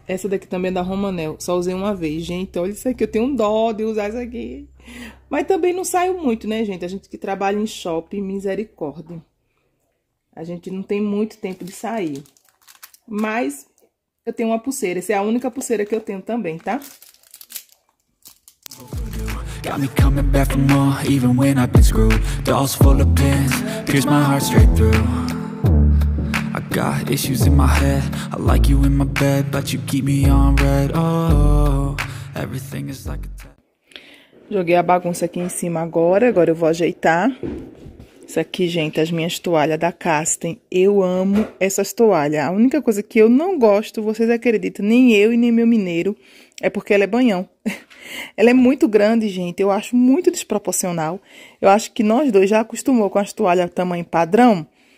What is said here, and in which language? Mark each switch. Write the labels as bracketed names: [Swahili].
[Portuguese] Essa daqui também é da Romanel. Só usei uma vez, gente. Olha isso aqui. Eu tenho dó de usar isso aqui. Mas também não saio muito, né, gente? A gente que trabalha em shopping, misericórdia. A gente não tem muito tempo de sair. Mas eu tenho uma pulseira. Essa é a única pulseira que eu tenho também, tá? [English] Got me coming back for more, even when I've been screwed. Dolls full of pins, pierce my heart straight through. I got issues in my head, I like you in my bed, but you keep me on red. Oh, everything is like a test. [Portuguese] Joguei a bagunça aqui em cima agora eu vou ajeitar. Isso aqui, gente, as minhas toalhas da Casten. Eu amo essas toalhas. A única coisa que eu não gosto, vocês acreditam, nem eu e nem meu mineiro, é porque ela é banhão. Ela é muito grande, gente. Eu acho muito desproporcional. Eu acho que nós dois já acostumamos com as toalhas tamanho padrão.